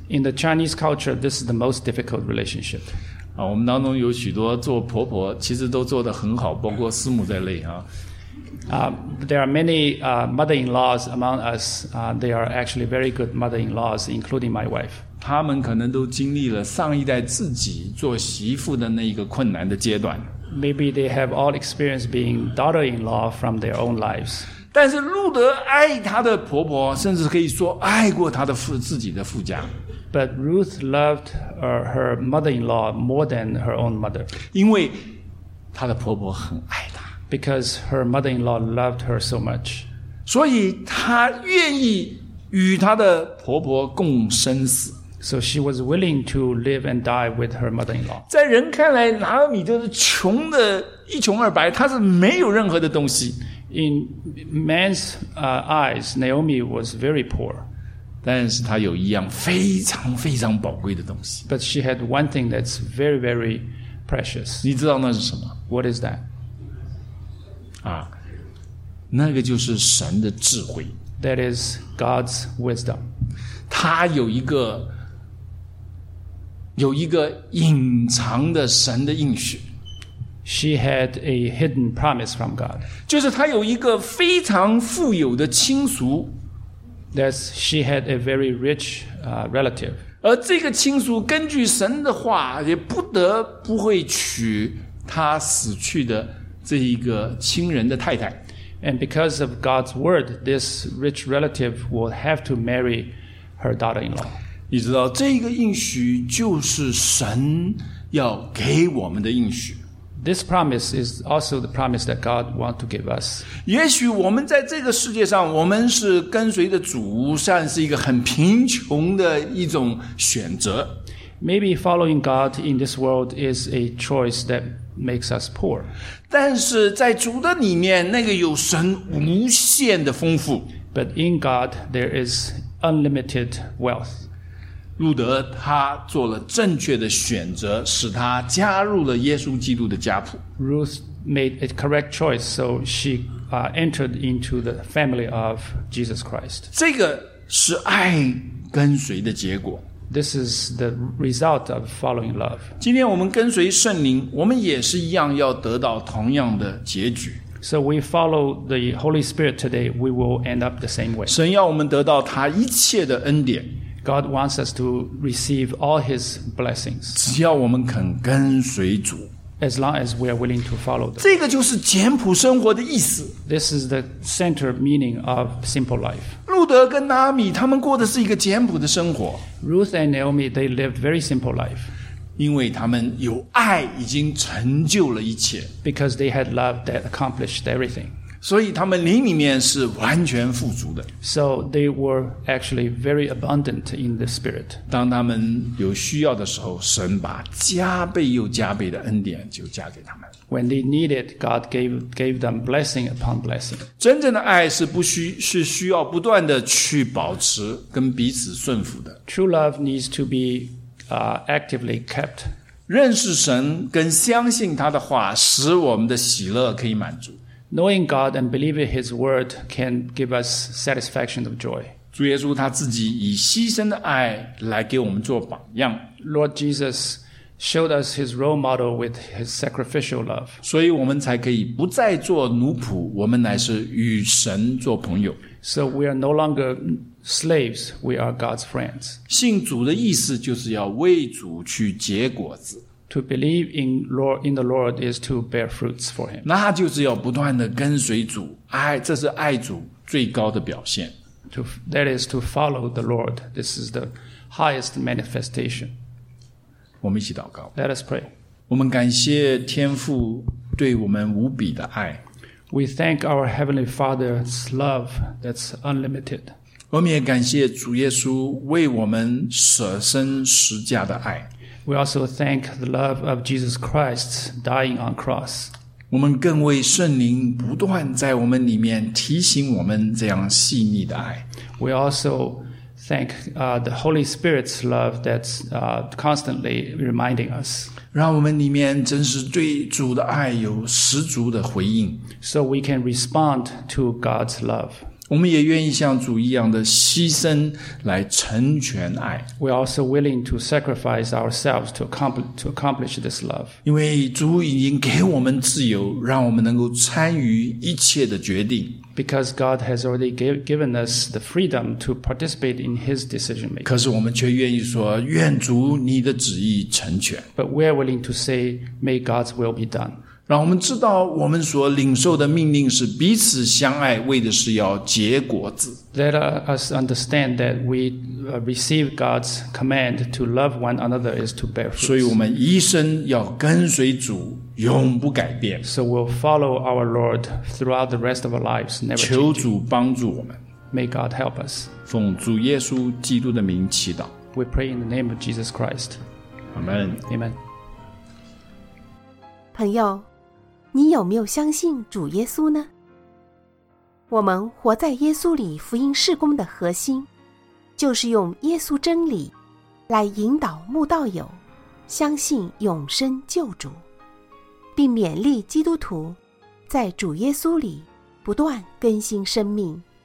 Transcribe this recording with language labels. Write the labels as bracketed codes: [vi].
[en] In the Chinese culture, this is the most difficult relationship. [zh] 啊、我们当中有许多做婆婆其实都做得很好，包括师母在内、啊 [en] there are many mother-in-laws among us. They are actually very good mother-in-laws, including my wife. [zh] 他们可能都经历了上一代自己做媳妇的那一个困难的阶段。 [en] Maybe they have all experienced being daughter-in-law from their own lives. [zh] 但是路德爱她的婆婆，甚至可以说爱过她的自己的夫家。 [en] But Ruth loved her mother-in-law more than her own mother. [zh] 因为她的婆婆很爱她。 [en] Because her mother-in-law loved her so much. [zh] 所以她愿意与她的婆婆共生死。 [en] So she was willing to live and die with her mother-in-law. [zh] 在人看来，拿俄米就是穷的一穷二白，她是没有任何的东西。 [en] In man's eyes, Naomi was very poor. [zh] 但是她有一样非常非常宝贵的东西。 [en] But she had one thing that's very, very precious. [zh] 你知道那是什么 [en] ？What is that？ [zh] 啊，那个就是神的智慧。 [en] That is God's wisdom. [zh] 她有一个隐藏的神的应许。 [en] She had a hidden promise from God. [zh] 就是她有一个非常富有的亲属。 [en] That she had a very rich relative. [zh] 而这个亲属根据神的话，也不得不会娶他死去的这一个亲人的太太。 [en] And because of God's word, this rich relative will have to marry her daughter-in-law. [zh] 你知道，这个应许就是神要给我们的应许。 [en] This promise is also the promise that God wants to give us. [zh] 也许我们在这个世界上，我们是跟随的主，算是一个很贫穷的一种选择。 [en] Maybe following God in this world is a choice that makes us poor. [zh] 但是在主的里面，那个有神无限的丰富。 [en] But in God, there is unlimited wealth. [zh] 路德他做了正确的选择，使他加入了耶稣基督的家谱。 [en] Ruth made a correct choice, so she entered into the family of Jesus Christ. [zh] 这个是爱跟随的结果。 [en] This is the result of following love. [zh] 今天我们跟随圣灵，我们也是一样要得到同样的结局。 [en] So we follow the Holy Spirit today, we will end up the same way. [zh] 神要我们得到他一切的恩典。 [en] God wants us to receive all His blessings. [zh] 只要我们肯跟随主。 [en] As long as we are willing to follow. [zh] 这个就是简朴生活的意思。 [en] This is the center meaning of simple life. [zh] 路德跟拿俄米他们过的是一个简朴的生活。 [en] Ruth and Naomi, they lived very simple life. [zh] 因为他们有爱已经成就了一切。 [en] Because they had love that accomplished everything. [zh] 所以他们灵里面是完全富足的。 [en] So they were actually very abundant in the spirit. [zh] 当他们有需要的时候，神把加倍又加倍的恩典就加给他们。 [en] When they needed, God gave them blessing upon blessing. [zh] 真正的爱是不需是需要不断的去保持跟彼此顺服的。 [en] True love needs to be actively kept. [zh] 认识神跟相信他的话，使我们的喜乐可以满足。 [en] Knowing God and believing His word can give us satisfaction of joy. [zh] 主耶稣他自己以牺牲的爱来给我们做榜样。 [en] Lord Jesus showed us His role model with His sacrificial love. [zh] 所以我们才可以不再做奴仆，我们乃是与神做朋友。 [en] So we are no longer slaves, we are God's friends. [zh] 信主的意思就是要为主去结果子。 [en] To believe in the Lord is to bear fruits for Him. [zh] 那就是要不断的跟随主，爱，这是爱主最高的表现。 [en] That is to follow the Lord. This is the highest manifestation. [zh] 我们一起祷告。 [en] Let us pray. [zh] 我们感谢天父对我们无比的爱。 [en] We thank our Heavenly Father's love that's unlimited. [zh] 我们也感谢主耶稣为我们舍身十架的爱。 [en] We also thank the love of Jesus Christ dying on cross. [zh] 我们更为圣灵不断在我们里面提醒我们这样细腻的爱。 [en] We also thank the Holy Spirit's love that's constantly reminding us. [zh] 让我们里面真是对主的爱有十足的回应。 [en] So we can respond to God's love. [zh] 我们也愿意像主一样的牺牲来成全爱。 [en] We are also willing to sacrifice ourselves to accomplish this love. [zh] 因为主已经给我们自由，让我们能够参与一切的决定。 [en] Because God has already given us the freedom to participate in His decision making. [zh] 可是我们却愿意说，愿主你的旨意成全。 [en] But we are willing to say, May God's will be done. [zh] 让我们知道我们所领受的命令是彼此相爱，为的是要结果子。 [en] Let us understand that we receive God's command to love one another is to bear fruit. [zh] 所以我们一生要跟随主，永不改变。 [en] So we'll follow our Lord throughout the rest of our lives, never changing. [zh] 求主帮助我们。 [en] May God help us. [zh] 奉主耶稣基督的名祈祷。 [en] We pray in the name of Jesus Christ. Amen. Amen. [zh] 朋友，你有没有相信主耶稣呢？我们活在耶稣里福音事工的核心，就是用耶稣真理来引导慕道友相信永生救主，并勉励基督徒在主耶稣里不断更新生命。